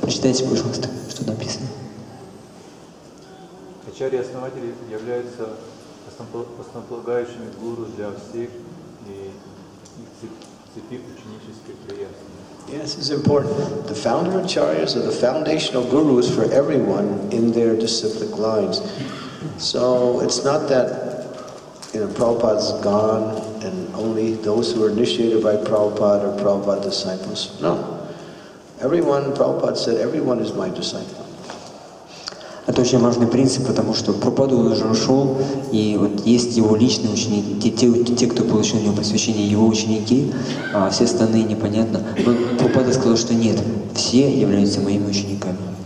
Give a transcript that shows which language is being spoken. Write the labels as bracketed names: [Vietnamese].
[Russian] Прочитайте, пожалуйста, что написано. Ачарьи-основатели являются основополагающими гуру для всех и цепи ученической преемственности. [English] Yes, it's important. The founder acharyas are the foundational gurus for everyone in their disciplic lines. So it's not that Prabhupada's gone and only those who are initiated by Prabhupada are Prabhupada's disciples. No. Everyone, Prabhupada said, everyone is my disciple. [Russian] Это очень важный принцип, потому что Прабхупада уже ушел, и вот есть его личные ученики, те, кто получил у него посвящение, его ученики, а все остальные непонятно. Но Прабхупада сказал, что нет, все являются моими учениками.